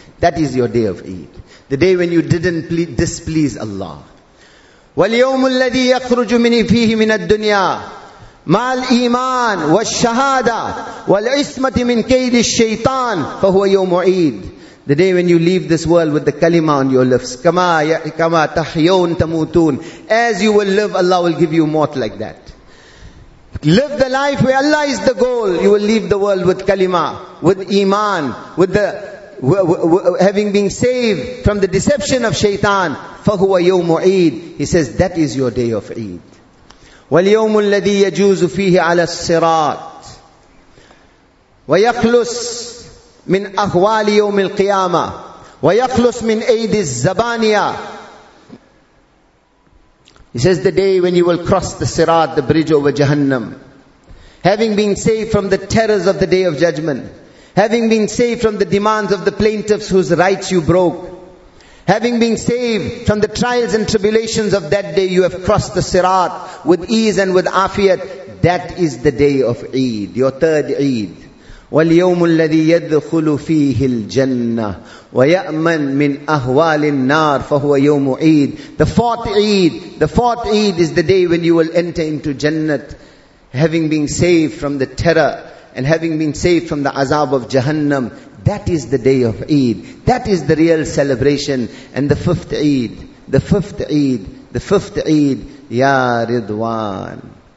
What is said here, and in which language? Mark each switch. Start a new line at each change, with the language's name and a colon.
English: That is your day of Eid, the day when you didn't displease Allah.
Arabic: واليوم الذي يخرج من فيه من الدنيا مع الإيمان والشهادة والعصمة من كيد الشيطان فهو يوم عيد.
English: The day when you leave this world with the kalima on your lips,
Arabic: kama tahyon tamutun,
English: as you will live, Allah will give you mort like that. Live the life where Allah is the goal. You will leave the world with kalima, with iman, with the having been saved from the deception of shaitan.
Arabic: Fahuwa yawmu eid.
English: He says that is your day of Eid.
Arabic: واليوم الذي يجوز فيه على الصراط ويخلص من أهوال يوم القيامة ويخلص من أيدي الزبانية.
English: He says, the day when you will cross the Sirat, the bridge over Jahannam, having been saved from the terrors of the Day of Judgment, having been saved from the demands of the plaintiffs whose rights you broke, having been saved from the trials and tribulations of that day, you have crossed the Sirat with ease and with afiyat. That is the day of Eid, your third Eid.
Arabic: واليوم الذي يدخل فيه الجنة ويأمن من أهوال النار فهو يوم عيد.
English: The fourth Eid is the day when you will enter into Jannat, having been saved from the terror and having been saved from the azab of Jahannam. That is the day of Eid. That is the real celebration. And the fifth Eid, Ya Ridwan.